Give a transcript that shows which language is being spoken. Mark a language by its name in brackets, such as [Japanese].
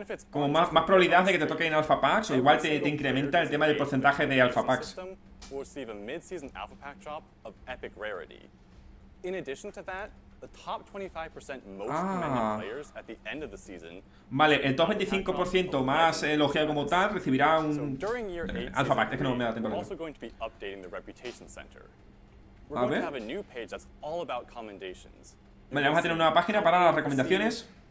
[Spanish] Como más probabilidad de que te toquen alpha packs, o igual te incrementa el tema del porcentaje de alpha packs. [English] Will receive a mid-season alpha pack drop of epic rarity. In addition to that, the top 25% most commended players at the end of the season. [Spanish] Vale, el top 25% más elogiado como tal recibirá un alpha pack. Es que no me da tiempo. [English] We're also going to be updating the reputation center. We're going to have a new page that's all about commendations. [Spanish] Vale, vamos a tener una nueva página para las recomendaciones.